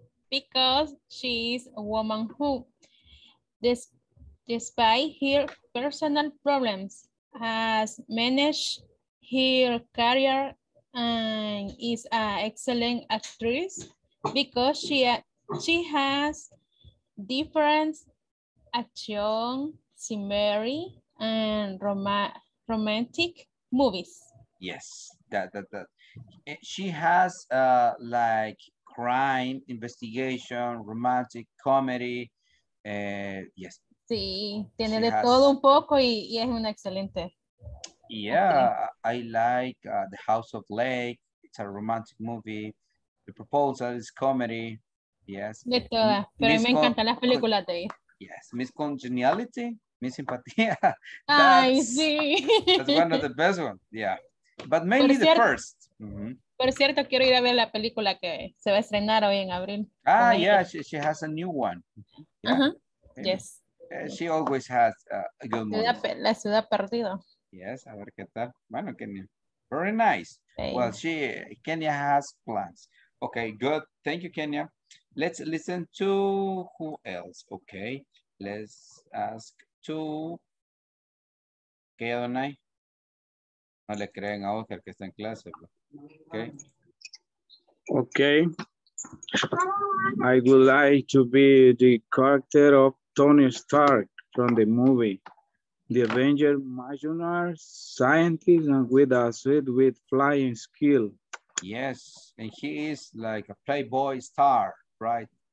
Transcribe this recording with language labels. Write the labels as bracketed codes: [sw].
[en] Because she is a woman who, despite her personal problems, has managed her career and is an excellent actress because she has different action, scenery, and romantic movies. Yes, that she has like crime, investigation, romantic comedy. Yes. [es] Sí, tiene de todo un poco y es una excelente. [en] Yeah, okay. I like The House of Lake. It's a romantic movie. The Proposal is comedy. Yes. [es] De todas, pero me encantan las películas de ella. [en] Yes, Miss Congeniality, Miss Simpatía. [es] Ay, sí. [en] That's one of the best ones, yeah. But mainly the first. Mm-hmm. [es] Por cierto, quiero ir a ver la película que se va a estrenar hoy en abril. [en] Ah, yeah, she has a new one. Yeah. Uh-huh. Yes. She always has a good movie. [es] La ciudad perdida. Yes, a ver qué tal. Bueno, Kenia. [en] Very nice. Hey. Well, Kenia has plans. Okay, good. Thank you, Kenia. Let's listen to who else. Okay, let's ask to... [es] ¿Qué, Adonai? No le creen a Oscar que está en clase. [en] Okay. Okay. I would like to be the character of Tony Stark from the movie. The Avenger Major scientist and with a suit with flying skill. Yes, and he is like a playboy star, right?